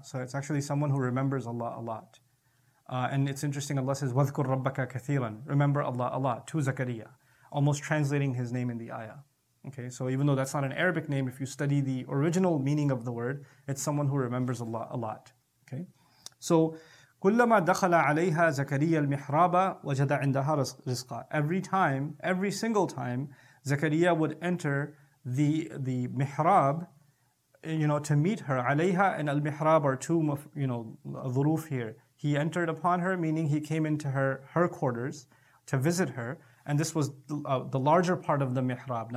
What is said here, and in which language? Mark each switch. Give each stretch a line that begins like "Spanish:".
English: So it's actually someone who remembers Allah a lot. And it's interesting, Allah says,
Arabic: وَذْكُرْ رَبَّكَ كَثِيرًا.
English: Remember Allah a lot, to Zakariya, almost translating his name in the ayah. Okay, so even though that's not an Arabic name, if you study the original meaning of the word, it's someone who remembers Allah a lot. Okay, so
Arabic: كلما دخل عليها زكريا المحراب وجد عندها رزقا.
English: Every single time, Zakariya would enter the mihrab, you know, to meet her. عليها and المحراب are two, you know, ظروف here. He entered upon her, meaning he came into her quarters to visit her, and this was the larger part of the mihrab.